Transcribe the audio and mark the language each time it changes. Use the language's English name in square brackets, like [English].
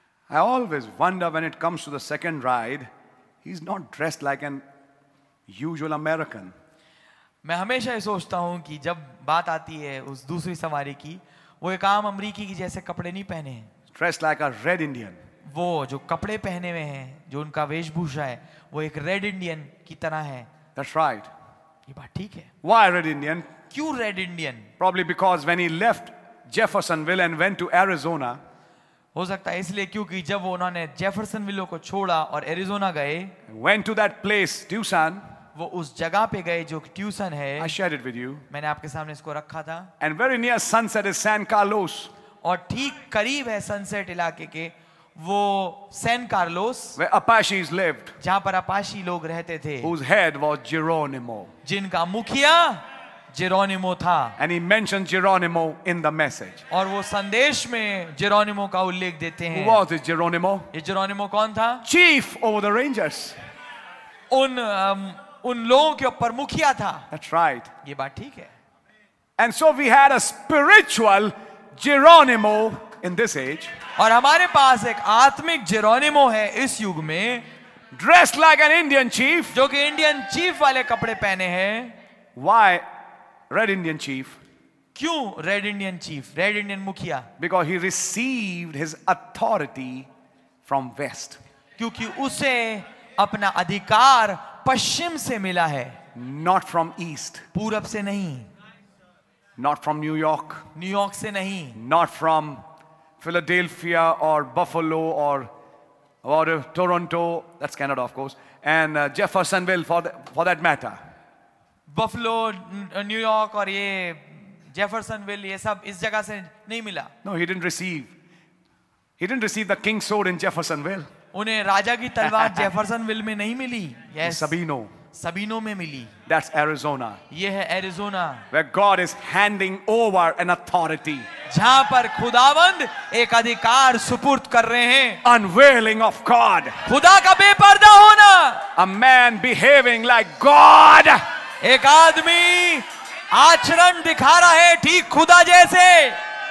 [English] I always wonder when it comes to the second ride, he's not dressed like an usual American. [Hindi] मैं हमेशा ये सोचता हूँ कि जब बात आती है उस दूसरी सवारी की, वो एक आम अमरीकी की जैसे कपड़े नहीं पहने हैं. [English] Dressed like a red Indian. [Hindi] वो जो कपड़े पहने हुए हैं, जो उनका वेशभूषा है, वो एक red Indian की तरह है. [English] That's right. [Hindi] ये बात ठीक है. [English] Why red Indian? [Hindi] क्यों red Indian [English] Probably because when he left Jeffersonville and went to Arizona, [Hindi] हो सकता है इसलिए क्योंकि जब उन्होंने Jeffersonville को छोड़ा और Arizona गए [English] went to that place Tucson, [Hindi] वो उस जगह पे गए जो Tucson है [English] I shared it with you, [Hindi] मैंने आपके सामने इसको रखा था [English] and very near sunset is San Carlos, [Hindi] और ठीक करीब है sunset इलाके के वो San Carlos, [English] where Apaches lived, [Hindi] जहां पर Apache लोग रहते थे [English] whose head was Geronimo, [Hindi] जिनका मुखिया जेरोनिमो था. [English] And he mentioned Geronimo in the message. [Hindi] और वो संदेश में जेरोनिमो का उल्लेख देते हैं. [English] Who was this Geronimo? [Hindi] ये जेरोनिमो कौन था? [English] Chief over the Rangers. [Hindi] उन उन लोगों के ऊपर मुखिया था. [English] That's right. [Hindi] ये बात ठीक है. [English] And so we had a spiritual Geronimo in this age. [Hindi] और हमारे पास एक आत्मिक जेरोनिमो है इस युग में. [English] Dressed like an Indian chief. [Hindi] जो कि इंडियन चीफ वाले कपड़े पहने हैं. [English] Why Red Indian chief? [Hindi] क्यों Red Indian chief? Red Indian मुखिया. [English] Because he received his authority from west. [Hindi] क्योंकि उसे अपना अधिकार पश्चिम से मिला है. [English] Not from east. [Hindi] पूरब से नहीं. [English] Not from New York. [Hindi] New York से नहीं. [English] Not from Philadelphia or Buffalo or Toronto. That's Canada, of course. And Jeffersonville, for that matter. [Hindi] Buffalo, New York, और ये Jeffersonville, ये सब इस जगह से नहीं मिला. [English] No, he didn't receive the king's sword in Jeffersonville. [Hindi] उन्हें राजा की तलवार Jeffersonville में नहीं मिली. [English] Yes. Sabino [Hindi] में मिली. [English] That's Arizona. [Hindi] ये है Arizona. [English] Where God is handing over an authority. [Hindi] जहाँ पर खुदावंद एक अधिकार सुपुर्द कर रहे हैं. [English] Unveiling of God. [Hindi] खुदा का बेपर्दा होना. [English] A man behaving like God. [Hindi] एक आदमी आचरण दिखा रहा है ठीक खुदा जैसे.